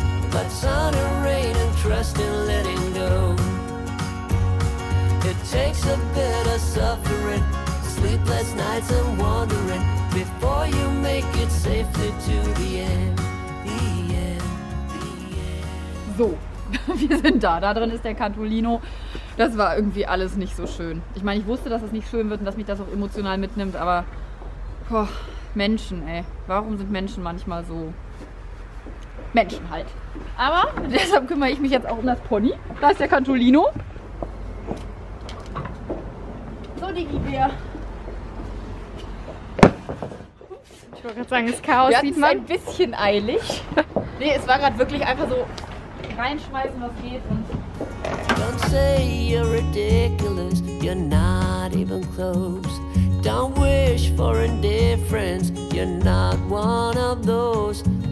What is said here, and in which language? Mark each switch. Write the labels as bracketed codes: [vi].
[en] But sun and rain and trust in letting go. It takes a bit of suffering, sleepless nights and wandering, before you make it safely to the end. The end, the end. So, [de] Wir sind da. Da drin ist der Cantolino. Das war irgendwie alles nicht so schön. Ich meine, ich wusste, dass es nicht schön wird und dass mich das auch emotional mitnimmt, aber boah, Menschen, ey. Warum sind Menschen manchmal so? Menschen halt. Aber deshalb kümmere ich mich jetzt auch um das Pony. Da ist der Cantolino. So, Digi-Bär. Ich wollte gerade sagen, das Chaos sieht man. Wir hatten es ein bisschen eilig. Nee, es war gerade wirklich einfach so reinschmeißen, was geht. Und [en] don't say you're ridiculous, you're not even close. Don't wish for indifference, you're not one of those.